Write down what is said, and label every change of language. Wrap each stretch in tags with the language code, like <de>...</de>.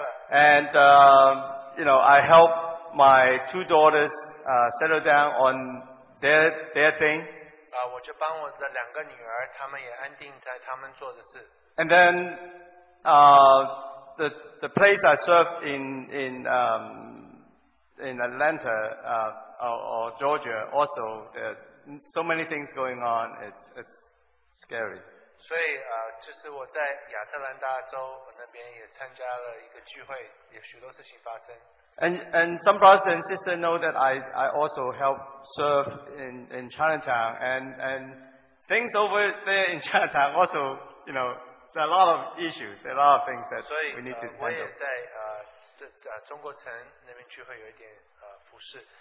<en>And, I helped my two daughters settle down on their thing.</en> <zh>我就帮我的两个女儿，她们也安定在她们做的事。</zh> <en>And then, the place I served in Atlanta, or Georgia, also so many things going on. It's scary.</en> <zh>所以就是我在亚特兰大州那边也参加了一个聚会，有许多事情发生。</zh> <en>And some brothers and sisters know that I also help serve in Chinatown, and things over there in Chinatown also, there are a lot of issues, there are a lot of things that we need to handle.</en> <zh>我也在中国城那边聚会有一点服侍。</zh>